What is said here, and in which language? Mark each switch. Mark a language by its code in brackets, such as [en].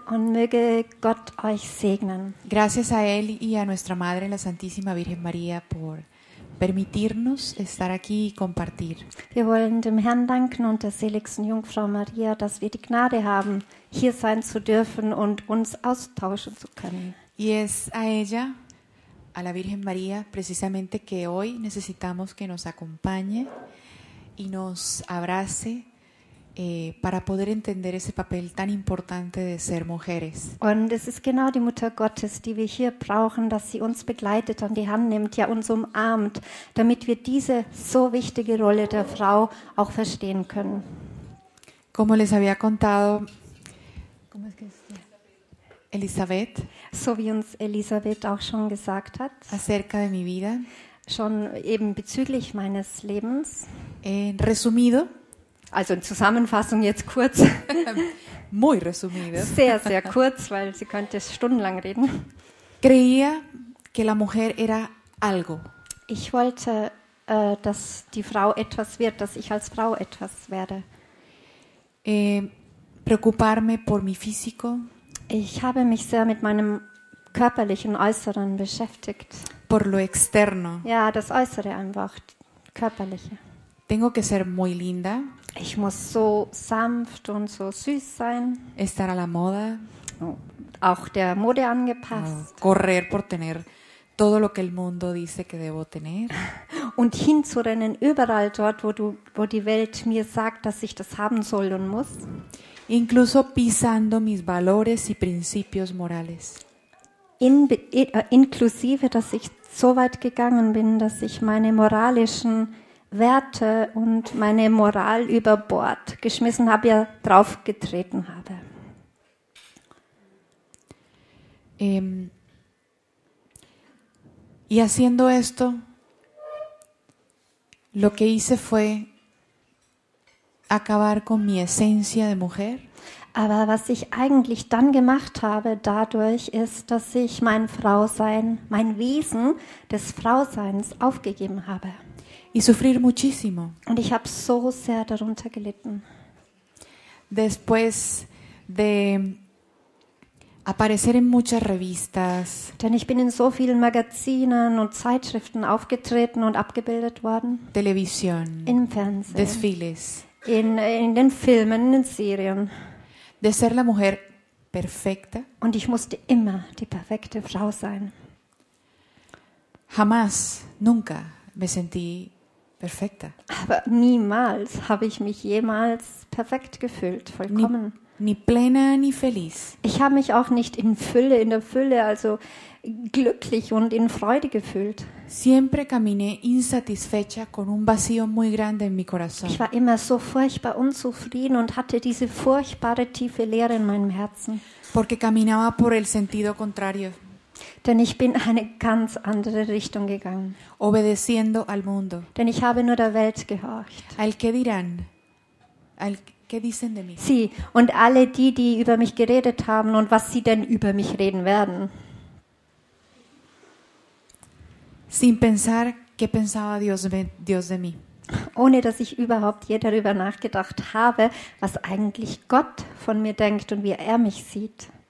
[de] Und möge Gott euch segnen. [es] Gracias a él y a nuestra madre la Santísima Virgen María por permitirnos estar aquí y compartir. [de] Wir wollen dem Herrn danken und der seligsten Jungfrau Maria, dass wir die Gnade haben, hier sein zu dürfen und uns austauschen zu können. [es] Y es a ella, a la Virgen María, precisamente que hoy necesitamos que nos acompañe y nos abrace para poder entender ese papel tan importante de ser mujeres. [de] Und es ist genau die Mutter Gottes, die wir hier brauchen, dass sie uns begleitet, an die Hand nimmt, ja uns umarmt, damit wir diese so wichtige Rolle der Frau auch verstehen können. [es] Como les había contado, Elisabeth, [de] so wie uns Elisabeth auch schon gesagt hat, [es] acerca de mi vida, [de] schon eben bezüglich meines Lebens, [es] resumido, [de] also in Zusammenfassung jetzt kurz, [es] muy resumido, [de] sehr, sehr kurz, weil sie könnte stundenlang reden, [es] creía que la mujer era algo. [de] Ich wollte, dass die Frau etwas wird, dass ich als Frau etwas werde. [es] Preocuparme por mi físico. [de] Ich habe mich sehr mit meinem körperlichen Äußeren beschäftigt. [es] Por lo externo. [de] Ja, das Äußere einfach, körperliche. [es] Tengo que ser muy linda. [de] Ich muss so sanft und so süß sein. [es] Estar a la moda. [de] Auch der Mode angepasst. [es] Correr por tener todo lo que el mundo dice que debo tener. [de] Und hinzurennen überall dort, wo die Welt mir sagt, dass ich das haben soll und muss. [es] Incluso pisando mis valores y principios morales. [de] Inklusive, dass ich so weit gegangen bin, dass ich meine moralischen Werte und meine Moral über Bord geschmissen habe, ja draufgetreten habe. [es] Y haciendo esto, lo que hice fue acabar con mi esencia de mujer. [de] Aber was ich eigentlich dann gemacht habe dadurch, ist, dass ich mein Frausein, mein Wesen des Frauseins aufgegeben habe. [es] Y sufrir muchísimo. [de] Und ich habe so sehr darunter gelitten. [es] Después de aparecer en muchas revistas. [de] Denn ich bin in so vielen Magazinen und Zeitschriften aufgetreten und abgebildet worden. [es] Television. [de] Im Fernsehen. [es] Desfiles. [de] In den Filmen, in den Serien. [es] De ser la mujer perfecta. [de] Und ich musste immer die perfekte Frau sein. [es] Jamás, nunca me sentí perfecta. [de] Aber niemals habe ich mich jemals perfekt gefühlt, vollkommen. [es] Ni plena ni feliz. [de] Ich habe mich auch nicht in der Fülle, also glücklich und in Freude gefühlt. [es] Siempre caminé insatisfecha con un vacío muy grande en mi corazón. [de] Ich war immer so furchtbar unzufrieden und hatte diese furchtbare tiefe Leere in meinem Herzen. [es] Porque caminaba por el sentido contrario. [de] Denn ich bin eine ganz andere Richtung gegangen. [es] Obedeciendo al mundo. [de] Denn ich habe nur der Welt gehorcht. [es] Al que dirán. ¿Qué dicen de mí? [de] Sí, und alle die, die über mich geredet haben und was sie denn über mich reden werden. [es] Sin pensar qué pensaba Dios de mí. [de] Ohne dass ich überhaupt je darüber nachgedacht habe, was eigentlich Gott von mir denkt und wie er mich sieht.